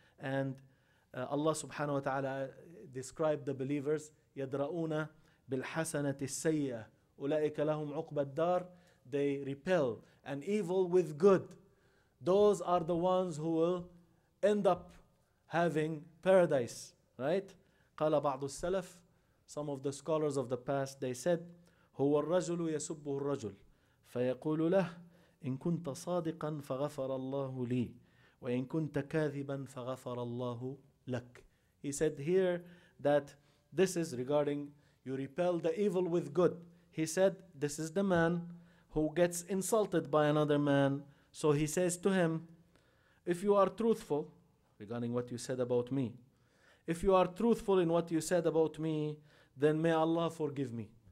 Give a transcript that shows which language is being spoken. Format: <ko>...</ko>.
<en>And Allah subhanahu wa ta'ala described the believers,</en> <ar>يَدْرَؤُونَ بِالْحَسَنَةِ السَّيِّئَةِ أُولَئِكَ لَهُمْ عُقْبَ الدَّارِ.</ar> <en>They repel an evil with good. Those are the ones who will end up having paradise, right? قَالَ بَعْضُ السَّلَفِ. Some of the scholars of the past, they said,</en> <ar>هو الرجل يسبه الرجل فيقول له إن كنت صادقا فغفر الله لي وإن كنت كاذبا فغفر الله لك.</ar> <en>He said here that this is regarding you repel the evil with good. He said this is the man who gets insulted by another man. So he says to him, if you are truthful regarding what you said about me, if you are truthful in what you said about me, then may Allah forgive me.</en>